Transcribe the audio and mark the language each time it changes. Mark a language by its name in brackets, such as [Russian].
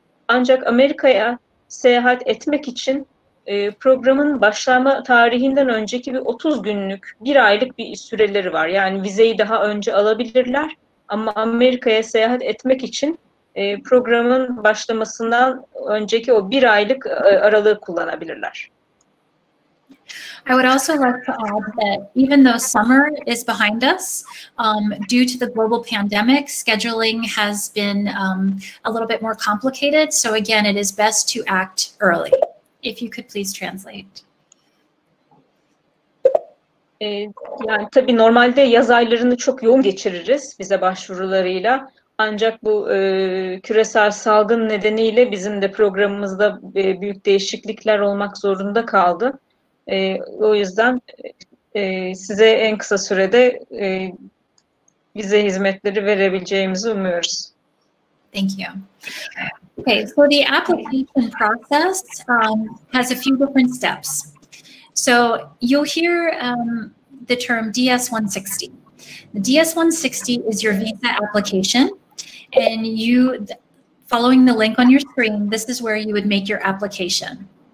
[Turkish] Ancak Amerika'ya seyahat etmek için programın başlama tarihinden önceki bir 30 günlük, 1 aylık bir süreleri var. Yani vizeyi daha önce alabilirler ama Amerika'ya seyahat etmek için programın başlamasından önceki o 1 aylık aralığı kullanabilirler. [English] I would also like to add that even though summer is behind us, due to the global pandemic, scheduling has been a little bit more complicated. So again, it is best to act early. If you could please translate. [Turkish] Yani tabii normalde yaz aylarını çok yoğun geçiririz vize başvurularıyla. Ancak bu küresel salgın nedeniyle bizim de programımızda büyük değişiklikler olmak zorunda kaldı. O yüzden size en kısa sürede vize hizmetleri verebileceğimizi umuyoruz. [English] Thank you. Okay, so the application process has a few different steps. So you'll hear the term DS-160. The DS-160 is your visa application. And you, following the link on your screen, this is where you would make your application.